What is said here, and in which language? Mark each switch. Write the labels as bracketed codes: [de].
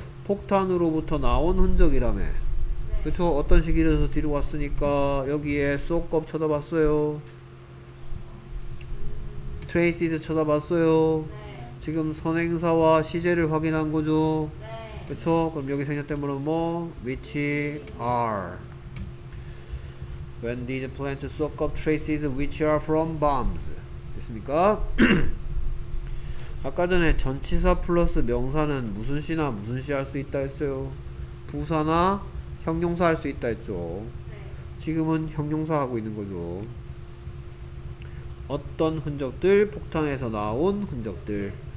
[ko] 폭탄으로부터 나온 흔적이라며. 네. 그렇죠. 어떤 시기에서 뒤로 왔으니까 여기에 쏙껍 쳐다봤어요. traces 쳐다봤어요. 네. 지금 선행사와 시제를 확인한 거죠. 네. 그렇죠. 그럼 여기 생략된 물은 뭐? [en] which are when these plants soak up traces which are from bombs. [ko] 됐습니까? 아까 전에 전치사 플러스 명사는 무슨 시나 무슨 시 할 수 있다 했어요. 부사나 형용사 할 수 있다 했죠. 지금은 형용사 하고 있는 거죠. 어떤 흔적들? 폭탄에서 나온 흔적들.